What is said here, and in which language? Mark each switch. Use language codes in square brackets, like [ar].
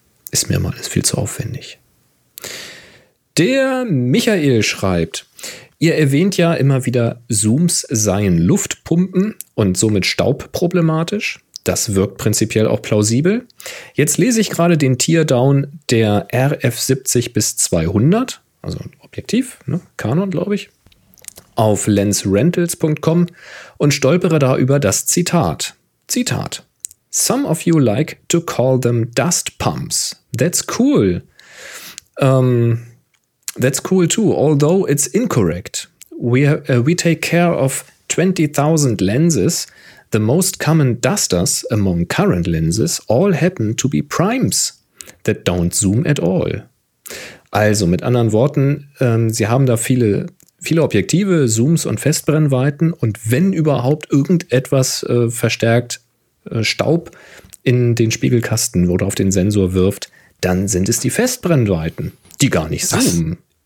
[de] Ist mir mal viel zu aufwendig. Der Michael schreibt, ihr erwähnt ja immer wieder, Zooms seien Luftpumpen und somit staubproblematisch. Das wirkt prinzipiell auch plausibel. Jetzt lese ich gerade den Teardown der RF70 bis 200, also ein Objektiv, ne? Canon, glaube ich, auf lensrentals.com und stolpere da über das Zitat. Zitat. [en] Some of you like to call them dust pumps. That's cool. That's cool too, although it's incorrect. We take care of 20,000 lenses. The most common dusters among current lenses all happen to be primes that don't zoom at all. [de] Also, mit anderen Worten, sie haben da viele Objektive, Zooms und Festbrennweiten und wenn überhaupt irgendetwas verstärkt Staub in den Spiegelkasten oder auf den Sensor wirft, dann sind es die Festbrennweiten, die gar nicht zoomen.